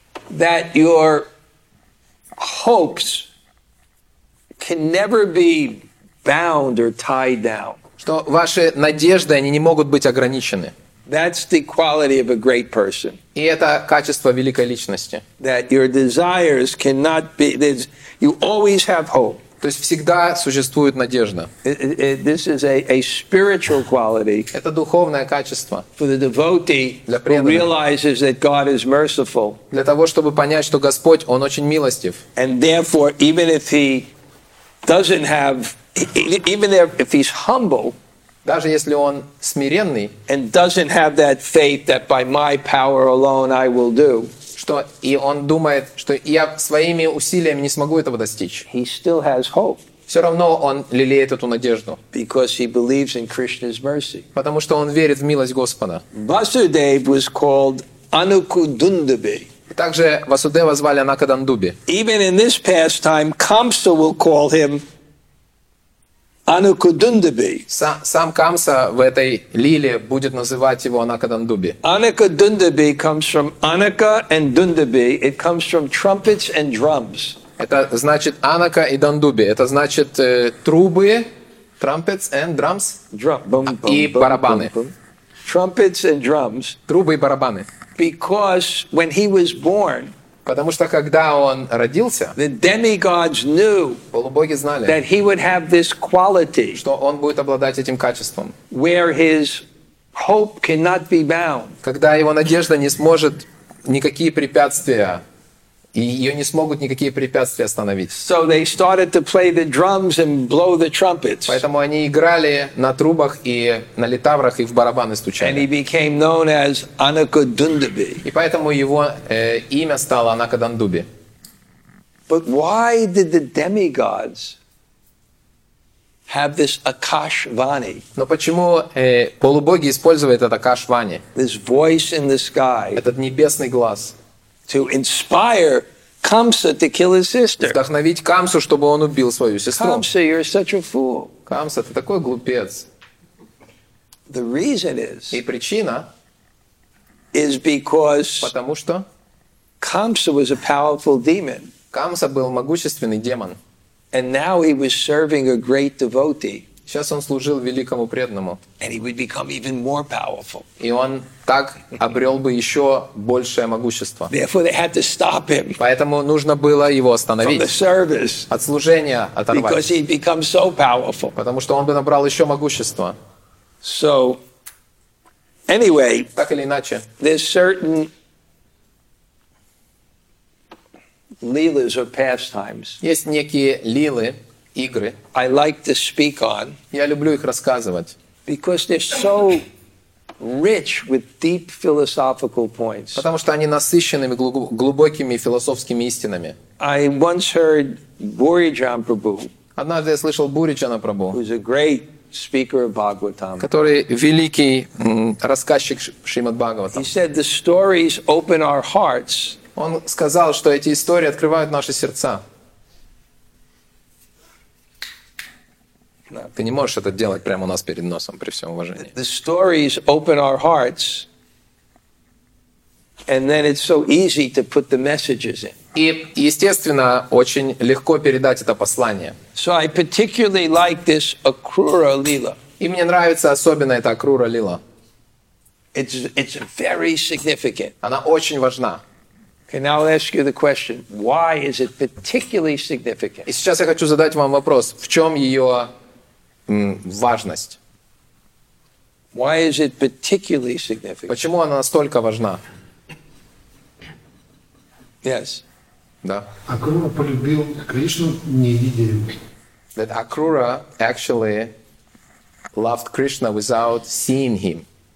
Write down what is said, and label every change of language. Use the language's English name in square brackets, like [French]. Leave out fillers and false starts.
[English] that your hopes can never be bound or tied down. [Russian] Что ваши надежды, они не могут быть ограничены. [English] That's the quality of a great person. [Russian] И это качество великой личности. [English] That your desires cannot be, you always have hope. [Russian] То есть всегда существует надежда. [English] This is a spiritual quality. [Russian] Это духовное качество. [English] For the devotee, [Russian] для преданного, [English] realizes that God is merciful. [Russian] Для того, чтобы понять, что Господь, Он очень милостив. [English] And therefore, even if he doesn't have, even if he's humble, [Russian] даже если он смиренный, [English] and doesn't have that faith that by my power alone I will do, [Russian] что и он думает, что я своими усилиями не смогу этого достичь. [English] He still has hope. [Russian] Все равно он лелеет эту надежду. [English] Because he believes in Krishna's mercy. [Russian] Потому что он верит в милость Господа. [English] Vasudeva was called Anukudundabi. [Russian] Также Васудева звали Анакадандуби. [English] Even in this pastime, Kamsa will call him Anukudundabi. [Russian] Сам Камса в этой лиле будет называть его Анакадандуби. [English] Anukudundabi comes from Anaka and Dundabi. It comes from trumpets and drums. [Russian] Это значит Анака и Дандуби. Это значит трубы, [English] trumpets and drums, [Russian] и барабаны. [English] Trumpets and drums. [Russian] Трубы и барабаны. [English] Because when he was born, [Russian] потому что когда он родился, [English] the demigods knew, [Russian] полубоги знали, [English] that he would have this quality, [Russian] что он будет обладать этим качеством, [English] where his hope cannot be bound, [Russian] когда его надежда не сможет никакие препятствия, ее не смогут никакие препятствия остановить. [English] So they started to play the drums and blow the trumpets. [Russian] Поэтому они играли на трубах и на литаврах и в барабаны стучали. [English] And he became known as Anukudundabi. [Russian] И поэтому его имя стало Анакадандуби. [English] But why did the demigods have this Akashvani? [Russian] Но почему полубоги использовали этот Акашвани? [English] This voice in the sky. [Russian] Этот небесный глаз. [English] To inspire Kamsa to kill his sister. [Russian] Вдохновить Камсу, чтобы он убил свою сестру. [English] Kamsa, you're such a fool. [Russian] Камса, ты такой глупец. [English] The reason is. [Russian] И причина. [English] Is because. [Russian] Потому что. [English] Kamsa was a powerful demon. [Russian] Камса был могущественный демон. [English] And now he was serving a great devotee. [Russian] Сейчас он служил великому преданному. [English] And he would become even more powerful. [Russian] И он так обрел бы еще большее могущество. [English] Therefore they had to stop him. [Russian] Поэтому нужно было его остановить. [English] From the service. [Russian] От служения оторвать. [English] Because he'd become so powerful. [Russian] Потому что он бы набрал еще могущество. [English] So, anyway, [Russian] так или иначе, [English] there's certain leelas or pastimes. [Russian] Есть некие лилы, игры. [English] I like to speak on. [Russian] Я люблю их рассказывать. [English] Because they're so rich with deep philosophical points. [Russian] Потому что они насыщенными глубокими философскими истинами. [English] I once heard Бурриджан Прабху. [Russian] Однажды я слышал Бурриджана Прабху. [English] Who's a great speaker of Bhagavatam. [Russian] Который великий рассказчик Шримад Бхагаватам. [English] He said the stories open our hearts. [Russian] Он сказал, что эти истории открывают наши сердца. Ты не можешь это делать прямо у нас перед носом, при всем уважении. [English] The stories open our hearts, and then it's so easy to put the messages in. [Russian] И, естественно, очень легко передать это послание. [English] So I particularly like this Akrura Lila. [Russian] И мне нравится особенно эта Акрура Лила. [English] It's very significant. [Russian] Она очень важна. [English] Okay, now I'll ask you the question: why is it particularly significant? [Russian] И сейчас я хочу задать вам вопрос: в чем ее важность. [English] Why is it particularly significant? [Russian] Почему она настолько важна? [English] Yes. [Russian] Да. Акрура полюбил Кришну, не видя его. [English] That Акрура actually loved Krishna without seeing him.